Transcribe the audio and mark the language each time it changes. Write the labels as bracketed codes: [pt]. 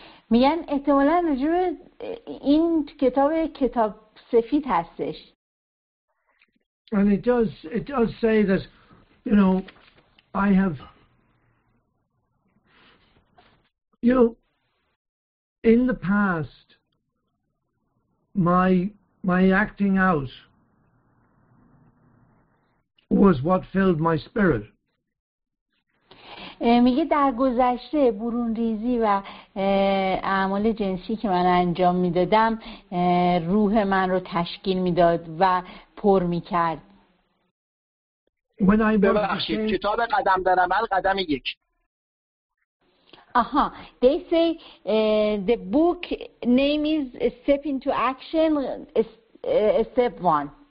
[fa] میگن احتمالاً راجع به این کتاب سفید هستش. [en] And it does say that, you know, I have, you know, in the past my acting out was what filled my spirit. [fa] میگه در گذشته برون ریزی و اعمال جنسی که من انجام میدادم روح من رو تشکیل میداد و پر میکرد. ببخشید کتاب قدم در عمل قدم یک. [en] آها، they say the book name is Step into Action, Step One.